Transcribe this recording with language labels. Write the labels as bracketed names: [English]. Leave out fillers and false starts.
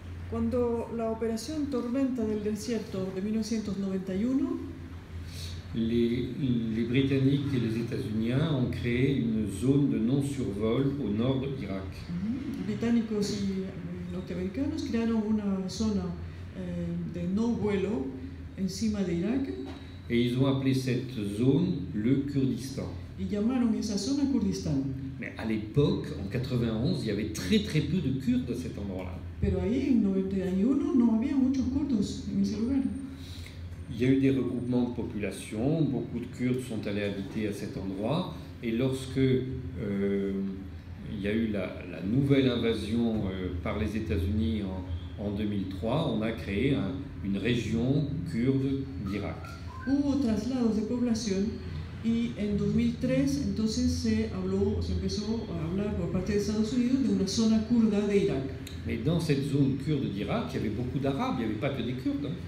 [Spanish] Cuando la operación Tormenta del Desierto de 1991. [French] Les Britanniques et les États-Unis ont créé une zone de non-survol au nord de l'Irak. Mm-hmm. [Spanish] Británicos y norteamericanos crearon una zona de no vuelo encima de Irak. [French] Et ils ont appelé cette zone le Kurdistan. [Spanish] Ils llamaron esa zona Kurdistan. [French] Mais à l'époque, en 91, il y avait très très peu de Kurdes à cet endroit-là. [Spanish] Pero ahí en 91 no había muchos kurdos en ese lugar. [French] Il y a eu des regroupements de population, beaucoup de Kurdes sont allés habiter à cet endroit, et lorsque il y a eu la nouvelle invasion par les États-Unis en 2003, on a créé une région kurde d'Irak. [Spanish] Hubo traslados de población y en 2003 entonces se empezó a hablar por parte de Estados Unidos de una zona kurda de Irak. [French] Mais dans cette zone kurde d'Irak, il y avait beaucoup d'Arabes, il n'y avait pas que des Kurdes.